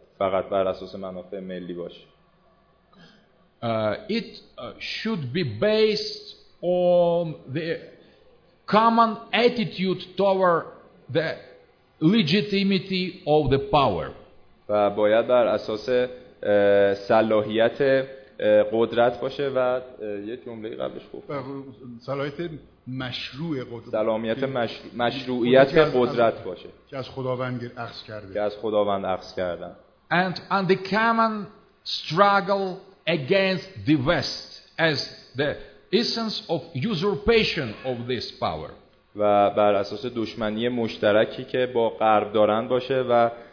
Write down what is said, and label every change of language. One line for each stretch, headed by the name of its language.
Persian: فقط بر اساس منافع ملی باشه.
English: It should be based on the common attitude toward the legitimacy of the power.
Persian: و باید بر اساس صلاحیت قدرت باشه و یه جمله قبلش گفت. صلاحیت مشروع قدرت. سلامیت مشروعیت قدرت باشه. که از خداوند اخذ کرده. که از خداوند اخذ کردن.
English: And on the common struggle against the West as the essence of usurpation of this power.
Persian: و بر اساس دشمنی مشترکی که با غرب دارن باشه و